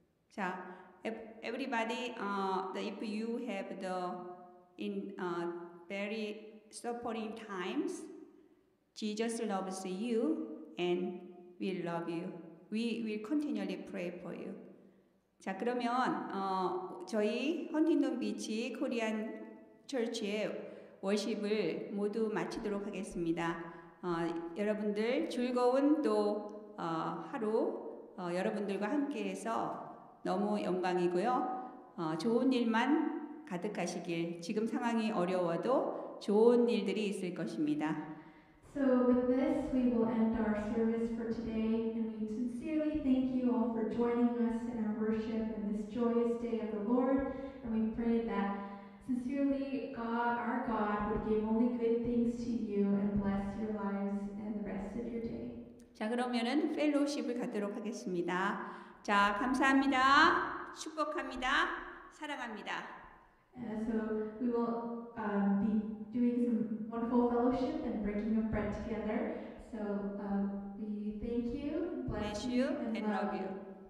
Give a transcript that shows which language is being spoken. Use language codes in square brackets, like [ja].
[en] 자, everybody, if you have the in very suffering times, Jesus loves you and we love you. We will continually pray for you. [ko] 자, 그러면 저희 헌팅턴 비치 코리안 철치의 워십을 모두 마치도록 하겠습니다. 여러분들 즐거운 또 하루 여러분들과 함께해서 너무 영광이고요. 좋은 일만 가득하시길. 지금 상황이 어려워도 좋은 일들이 있을 것입니다. [en] So with this, we will end our service for today, and we sincerely thank you all for joining us in our worship in this joyous day of the Lord, and we pray that sincerely God, our God, would give only good things to you and bless your lives and the rest of your day. [ko] 자, 그러면은 펠로우십을 갖도록 하겠습니다. 자, 감사합니다. 축복합니다. 사랑합니다. [en] So we will be doing some wonderful fellowship and breaking of bread together. So we thank you, bless you, and love you.